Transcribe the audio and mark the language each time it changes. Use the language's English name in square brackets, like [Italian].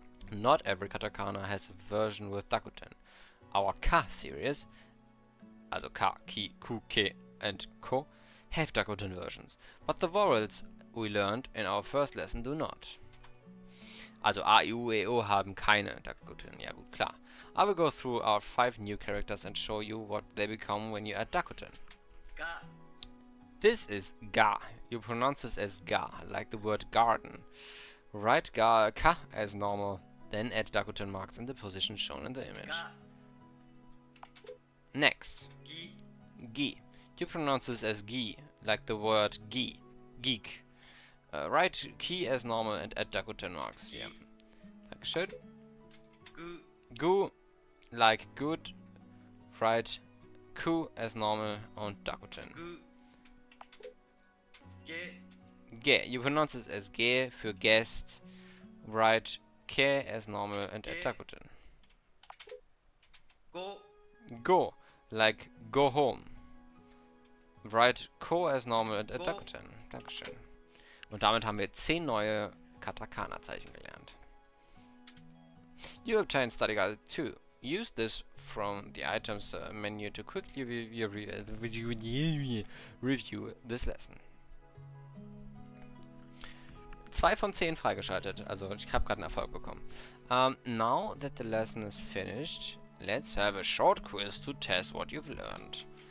[English] Not every katakana has a version with Dakuten. Our K series, also ka, ki, ku, ke, and ko, have Dakuten versions, but the vowels we learned in our first lesson do not. [German] Also A, I, U, E, O haben keine Dakuten, ja gut, klar. [English] I will go through our 5 new characters and show you what they become when you add Dakuten. Ga. This is ga. You pronounce this as ga, like the word garden. Write ga, ka as normal, then add Dakuten marks in the position shown in the image. Ga. Next, gi. Gi. You pronounce this as gi, like the word gi, geek. Write ki as normal and add Dakuten marks. Gi. Yeah, like should. Gu. Gu, like good. Write ku as normal and Dakuten. Gu. Ge. Ge. You pronounce this as ge for guest. Write ke as normal and ge. Add Dakuten. Go. Go. Like go home. Write ko as normal and add Dakuten. [German] Dankeschön. Und damit haben wir 10 neue Katakana-Zeichen gelernt. [English] You obtained Study Guide 2. Use this from the items menu to quickly review this lesson. [German] 2 von 10 freigeschaltet. Also ich habe gerade einen Erfolg bekommen. [English] Now that the lesson is finished, let's have a short quiz to test what you've learned.